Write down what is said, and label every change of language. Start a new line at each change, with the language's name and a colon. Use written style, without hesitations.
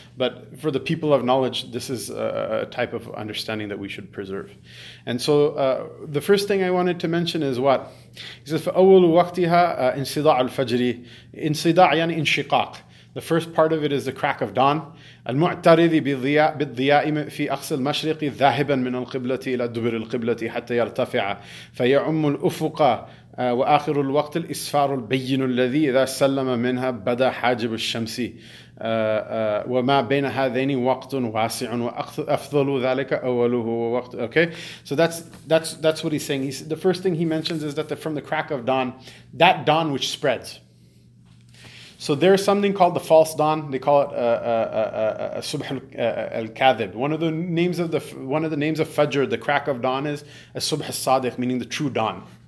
English: But for the people of knowledge, this is a type of understanding that we should preserve. And so the first thing I wanted to mention is what? He says,
Arabic: فَأَوَّلُ وَقْتِهَا إِنْصِدَاعُ الْفَجْرِ إِنْصِدَاعُ يَنِ إِنْشِقَاقُ.
English: The first part of it is the crack of dawn.
Arabic: المعترض بالضياء في أقصى المشرق ذاهبا من القبلة إلى دبر القبلة حتى يرتفع فيعم الأفق وآخر الوقت الإسفار البين الذي إذا سلم منها بدا حاجب الشمس وما بين هذين وقت واسع وأفضل ذلك أوله وقت.
English: Okay, so that's what he's saying. The first thing he mentions is that from the crack of dawn, that dawn which spreads. So there is something called the false dawn. They call it Subh al-Kadhib. One of the names of Fajr, the crack of dawn, is Subh al-Sadiq, meaning the true dawn.